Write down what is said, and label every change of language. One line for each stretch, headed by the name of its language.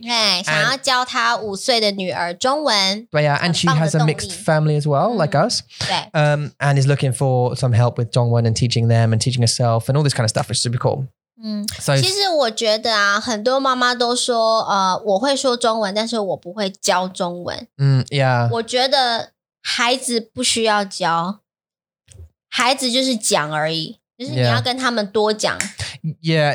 Chinese: 对，想要教她五岁的女儿中文。对呀
English: and she has a mixed family as well, like us.
Chinese: 对。
English: And is looking for some help with 中文 and teaching them and teaching herself and all this kind of stuff, which is super cool.
Chinese: 嗯，so, 其实我觉得啊，很多妈妈都说，我会说中文，但是我不会教中文。嗯，yeah. 我觉得孩子不需要教，孩子就是讲而已。就是你要跟他们多讲。
English: Yeah.